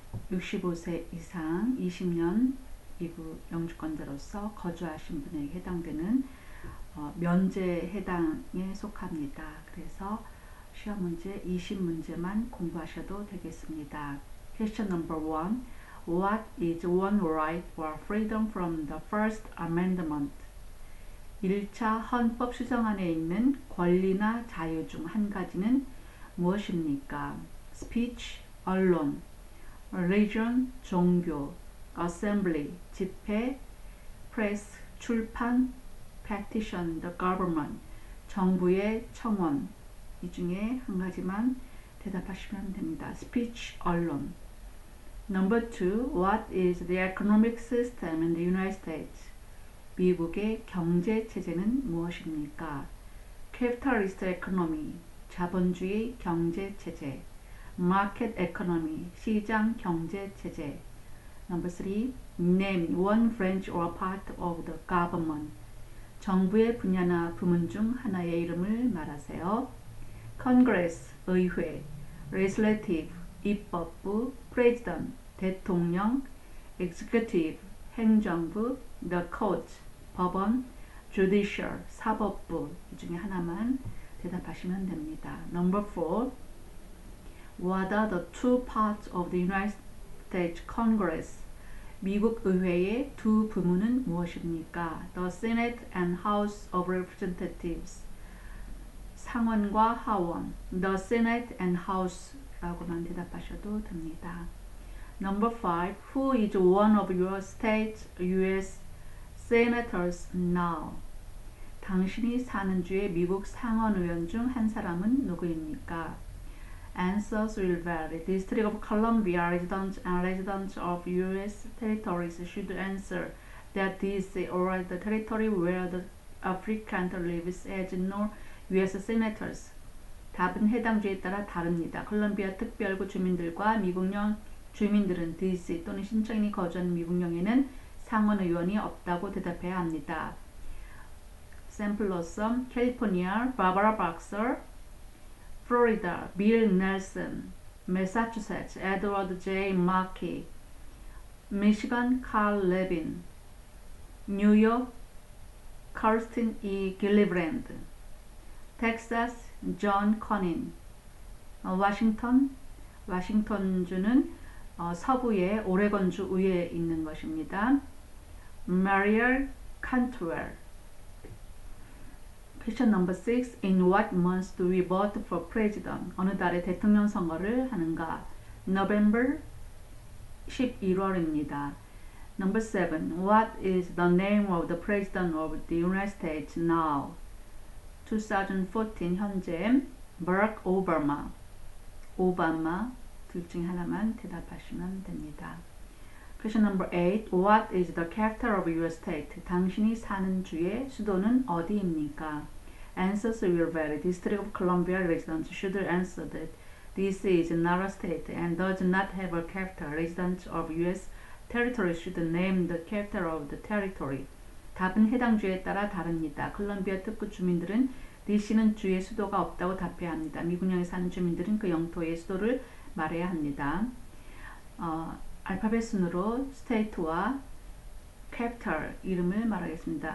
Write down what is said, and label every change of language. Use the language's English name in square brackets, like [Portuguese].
[Korean] 65세 이상 20년 미국 영주권자로서 거주하신 분에 해당되는 면제 해당에 속합니다. 그래서 시험 문제 20문제만 공부하셔도 되겠습니다. [English] Question number one. What is one right or freedom from the First Amendment? [Korean] 1차 헌법 수정안에 있는 권리나 자유 중 한 가지는 무엇입니까? [English] Speech, 언론, religion, 종교, assembly, 집회, press, 출판, petition, the government, 정부의 청원. [Korean] 이 중에 한 가지만 대답하시면 됩니다. [English] Speech, 언론. Number two, what is the economic system in the United States? [Korean] 미국의 경제 체제는 무엇입니까? [English] Capitalist economy, [Korean] 자본주의 경제 체제. [English] Market economy, [Korean] 시장 경제 체제. [English] Number three, name one branch or part of the government. [Korean] 정부의 분야나 부문 중 하나의 이름을 말하세요. [English] Congress, 의회, legislative, 입법부, president, 대통령, executive, 행정부, the court, 법원, judicial, 사법부. [Korean] 이 중에 하나만 대답하시면 됩니다. [English] Number four, what are the two parts of the United States Congress? [Korean] 미국 의회의 두 부문은 무엇입니까? [English] The Senate and House of Representatives. [Korean] 상원과 하원. [English] The Senate and House [Korean] 라고만 대답하셔도 됩니다. [English] Number 5. Who is one of your state U.S. Senators now? [Korean] 당신이 사는 주의 미국 상원의원 중 한 사람은 누구입니까? [English] Answers will vary. District of Columbia residents and residents of U.S. territories should answer that this or the territory where the applicant lives as nor U.S. senators. [Korean] 답은 해당 주에 따라 다릅니다. 콜롬비아 특별구 주민들과 미국령 주민들은 D.C. 또는 신청인이 거주하는 미국령에는 상원의원이 없다고 대답해야 합니다. [English] Samples: California, Barbara Boxer, Florida, Bill Nelson, Massachusetts, Edward J. Markey, Michigan, Carl Levin, New York, Kirsten E. [Korean] Gillibrand, Texas, John Conin, Washington, 워싱턴주는 서부의 오레건주 위에 있는 것입니다. [English] Marielle Cantwell. Question number 6. In what month do we vote for president? [Korean] 어느 달에 대통령 선거를 하는가? [English] November [Korean] 11월입니다. [English] Number 7. What is the name of the president of the United States now? 2014 현재 Barack Obama. [Korean] 오바마 둘 중 하나만 대답하시면 됩니다. [English] Question number 8. What is the capital of your state? [Korean] 당신이 사는 주의 수도는 어디입니까? [English] Answers will vary. District of Columbia residents should answer that this is not a state and does not have a capital. Residents of U.S. territory should name the capital of the territory. [Korean] 답은 해당 주에 따라 다릅니다. 콜롬비아 특구 주민들은 D.C.는 주의 수도가 없다고 답해야 합니다. 미국령에 사는 주민들은 그 영토의 수도를 말해야 합니다. 알파벳 순으로 스테이트와 캡털 이름을 말하겠습니다.